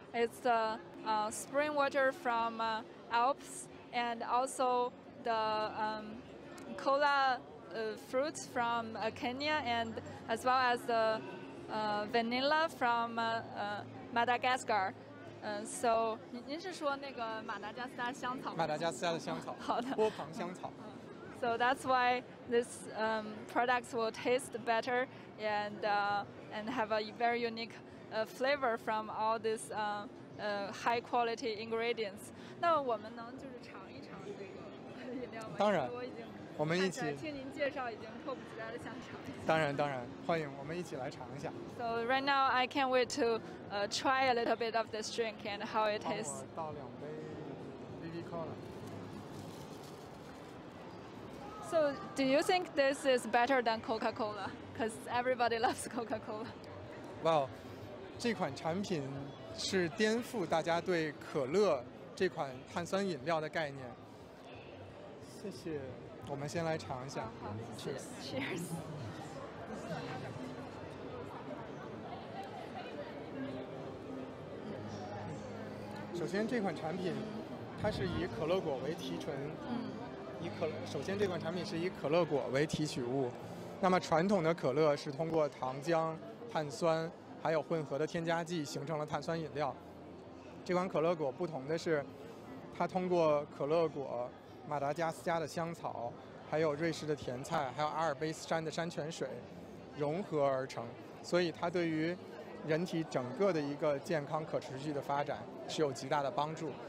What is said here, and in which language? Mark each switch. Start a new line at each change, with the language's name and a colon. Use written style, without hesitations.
English: It's the spring water from Alps, and also the cola fruits from Kenya, and as well as the vanilla from Madagascar.
Chinese: So, 您是说那个马达加斯加的香草？马达加斯加的香草，好的，波旁香草。
English: So that's why this products will taste better and have a very unique flavor from all these high quality ingredients.
Chinese: 那我们能就是尝一尝这个饮料吗？当然，我们一起。听您介绍，已经迫不及待的想尝。当然，欢迎，我们一起来尝一下。
English: So right now I can't wait to try a little bit of this drink and how it tastes.
Chinese: 帮我倒两杯 VV Cola。
English: So, do you think this is better than Coca-Cola? Because everybody loves Coca-Cola. Well, this product is to disrupt everyone's concept of Coca-Cola, this carbonated soft drink. Thank you. Let's try it first. Cheers. Cheers. First, this product is made with Coca-Cola as a base.
Chinese: 可乐，首先这款产品是以可乐果为提取物，那么传统的可乐是通过糖浆、碳酸还有混合的添加剂形成了碳酸饮料。这款可乐果不同的是，它通过可乐果、马达加斯加的香草、还有瑞士的甜菜、还有阿尔卑斯山的山泉水融合而成，所以它对于人体整个的一个健康可持续的发展是有极大的帮助。